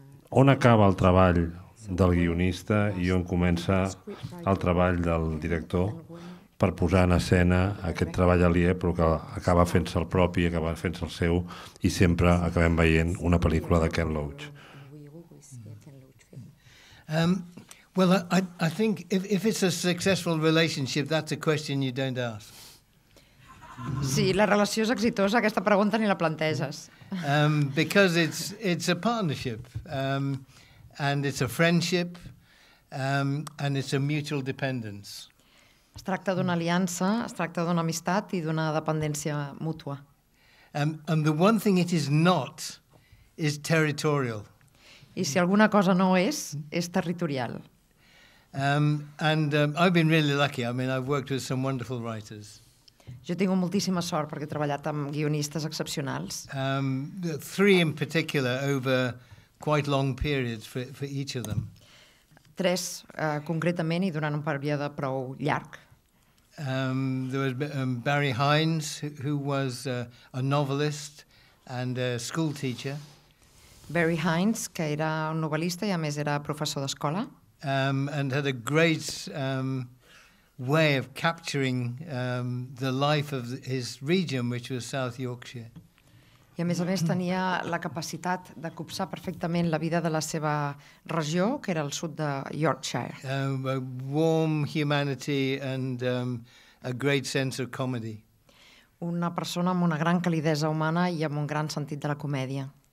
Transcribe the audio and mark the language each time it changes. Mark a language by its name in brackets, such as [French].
[Catalan] On acaba el treball del guionista i on comença el treball del director per posar en escena aquest treball aliè, però que acaba fent-se el propi, acaba fent-se el seu, i sempre acabem veient una pel·lícula de Ken Loach. [English] Well, I think if it's a successful relationship, that's a question you don't ask. [Catalan] Sí, la relació és exitosa, aquesta pregunta ni la planteges. [English] Because it's a partnership, and it's a friendship, and it's a mutual dependence. [Catalan] Es tracta d'una aliança, es tracta d'una amistat i d'una dependència mútua. [English] And the one thing it is not is territorial. [Catalan] I si alguna cosa no és, és territorial. [English] I've been really lucky. I mean, I've worked with some wonderful writers. [Catalan] Jo tinc moltíssima sort perquè he treballat amb guionistes excepcionals. [English] Three in particular over quite long periods for each of them. [Catalan] Tres concretament i durant un període prou llarg. [English] There was Barry Hines, who was a novelist and a school teacher. [Catalan] Barry Hines, que era un novel·lista i a més era professor d'escola. [English] And had a great way of capturing the life of his region, which was South Yorkshire. [Catalan] I a més tenia la capacitat de copsar perfectament la vida de la seva regió, que era el sud de Yorkshire. [English] A warm humanity and a great sense of comedy. [Catalan] Una persona amb una gran calidesa humana i amb un gran sentit de la comèdia.